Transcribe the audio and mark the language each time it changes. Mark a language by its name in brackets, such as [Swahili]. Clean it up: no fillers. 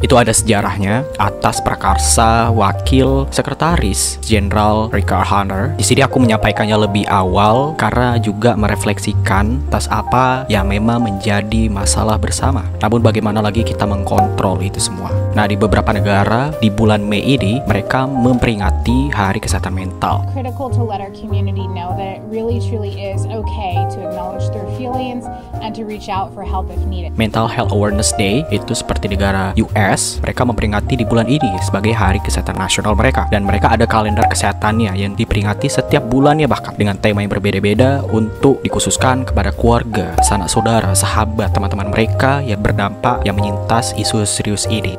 [Indonesian] Itu ada sejarahnya atas prakarsa Wakil Sekretaris Jenderal Richard Hunter. Di sini aku menyampaikannya lebih awal karena juga merefleksikan atas apa yang memang menjadi masalah bersama. Namun bagaimana lagi kita mengkontrol itu semua? Nah, di beberapa negara di bulan Mei ini mereka memperingati hari kesehatan mental. [English] Critical to let our community know that it really truly is okay to acknowledge their feelings and to reach out for help if needed. [Indonesian] Mental Health Awareness Day itu seperti negara US, mereka memperingati di bulan ini sebagai hari kesehatan nasional mereka, dan mereka ada kalender kesehatannya yang diperingati setiap bulannya, bahkan dengan tema yang berbeda-beda untuk dikhususkan kepada keluarga, sanak saudara, sahabat, teman-teman mereka yang berdampak, yang menyintas isu serius ini.